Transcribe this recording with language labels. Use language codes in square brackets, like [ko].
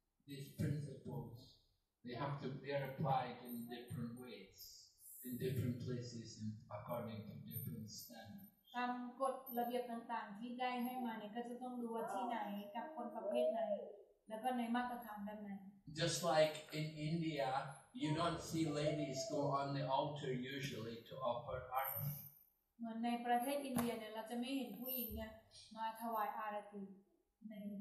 [en] These principles they have to be applied in different ways in different places and according to different standards. [th] ตามกฎระเบียบต่างๆที่ได้ให้มาเนี่ยก็จะต้องดูว่าที่ไหนกับคนประเภทไหนแล้วก็ในมาตรฐานแบบไหน [en] Just like in India you don't see ladies go on the altar usually to offer arati [th] เหมือนในประเทศอินเดียเนี่ยเราจะไม่เห็นผู้หญิงเนี่ยมาถวายอารัตติใน